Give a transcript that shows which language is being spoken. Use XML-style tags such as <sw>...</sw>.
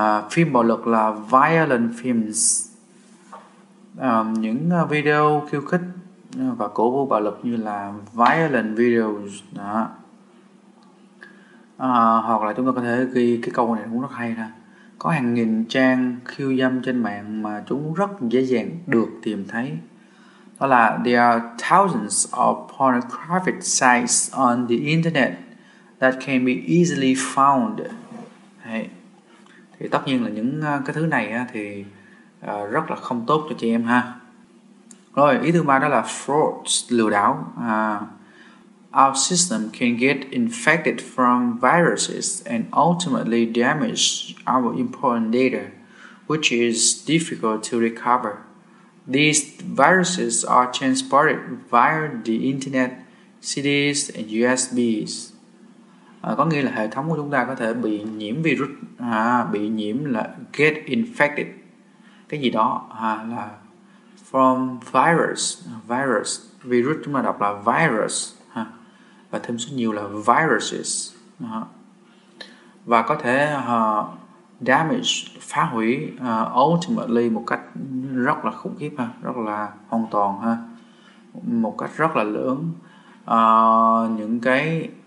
<vi>Phim bạo lực là</vi> <en>violent films.</en> <vi>Những video khiêu khích và cổ vũ bạo lực như là</vi> <en>violent videos.</en> <vi>Đó. Hoặc là chúng ta có thể ghi cái câu này cũng rất hay nè. Có hàng nghìn trang khiêu dâm trên mạng mà chúng rất dễ dàng được tìm thấy. Đó là</vi> <en>there are thousands of pornographic sites on the internet that can be easily found. Hey.</en> <vi>Thì tất nhiên là những cái thứ này thì rất là không tốt cho chị em ha. Rồi ý thứ ba đó là fraud, lừa đảo.</vi> <en>Our system can get infected from viruses and ultimately damage our important data, which is difficult to recover. These viruses are transported via the internet, CDs and USBs.</en> <vi>Có nghĩa là hệ thống của chúng ta có thể bị nhiễm virus, bị nhiễm là</vi> <en>get infected,</en> <vi>cái gì đó là from virus, virus chúng ta đọc là virus và thêm số nhiều là viruses, và có thể damage, phá hủy ultimately một cách rất là khủng khiếp ha, rất là hoàn toàn ha, một cách rất là lớn những cái</vi>